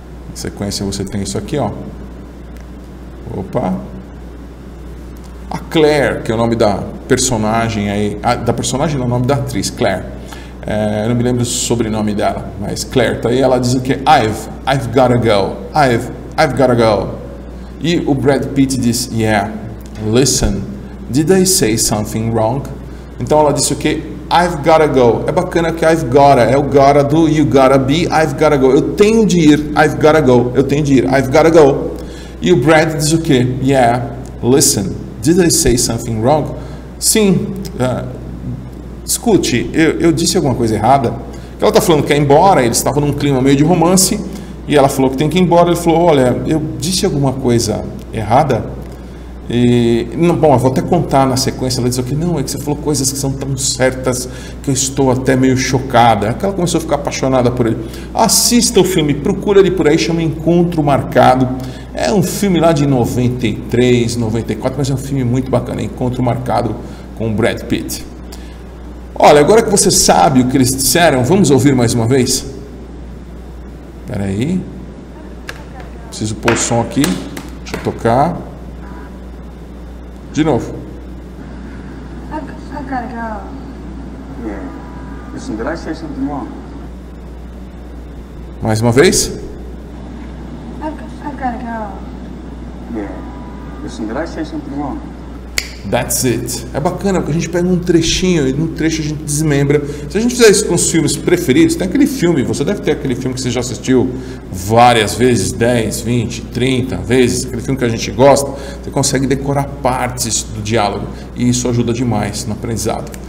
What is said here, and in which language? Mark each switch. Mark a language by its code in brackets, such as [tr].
[pt] Na sequência você tem isso aqui, ó. Opa. A Claire, que é o nome da personagem aí. Da personagem, não, o nome da atriz, Claire. Eu não me lembro o sobrenome dela, mas Claire. Tá aí, ela diz o quê? [en] I've got a girl. I've got a girl. [pt] E o Brad Pitt diz, [en] yeah, listen, did I say something wrong? [pt] Então ela disse o quê? [en] I've gotta go. [pt] É bacana que [en] I've gotta, é o gotta do you gotta be, I've gotta go. [pt] Eu tenho de ir, [en] I've gotta go. [pt] Eu tenho de ir, I've gotta go. E o Brad diz o quê? [en] Yeah, listen, did I say something wrong? [pt] Sim, escute, eu disse alguma coisa errada. Ela está falando que é embora, eles estavam num clima meio de romance, e ela falou que tem que ir embora, ele falou, olha, eu disse alguma coisa errada? E, não, bom, eu vou até contar na sequência, ela diz aqui, não, é que você falou coisas que são tão certas que eu estou até meio chocada. Ela começou a ficar apaixonada por ele. Assista o filme, procura ele por aí, chama Encontro Marcado. É um filme lá de 93, 94, mas é um filme muito bacana, Encontro Marcado com Brad Pitt. Olha, agora que você sabe o que eles disseram, vamos ouvir mais uma vez? Espera aí. Preciso pôr o som aqui. Deixa eu tocar. De novo. [en] I've got a girl. Yeah. Listen, did I say something wrong? [pt] Mais uma vez. [en] I've got a girl. Yeah. Listen, did I say something wrong? That's it. [pt] É bacana porque a gente pega um trechinho e no trecho a gente desmembra. Se a gente fizer isso com os filmes preferidos, tem aquele filme, você deve ter aquele filme que você já assistiu várias vezes, 10, 20, 30 vezes, aquele filme que a gente gosta, você consegue decorar partes do diálogo e isso ajuda demais no aprendizado.